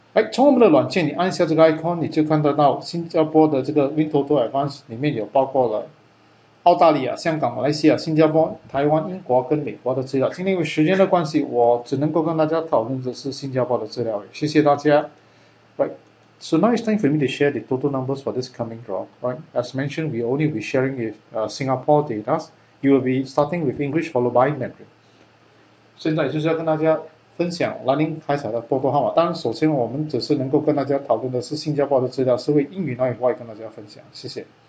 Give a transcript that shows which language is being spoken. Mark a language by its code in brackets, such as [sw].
[zh] 从我们的软件你按下这个 icon， 你就看得到新加坡的这个 Win Toto Advance 里面有包括了澳大利亚、香港、马来西亚、新加坡、台湾、英国跟美国的资料。今天因为时间的关系，我只能够跟大家讨论的是新加坡的资料，谢谢大家。 [en] Right, so now it's time for me to share the Toto numbers for this coming draw. Right, as mentioned, we only be sharing with Singapore data. You will be starting with English followed by Mandarin. [zh] 现在就是要跟大家分享蓝鹰开彩的波波号码。当然首先我们只是能够跟大家讨论的是新加坡的资料，是为英语那一块跟大家分享，谢谢。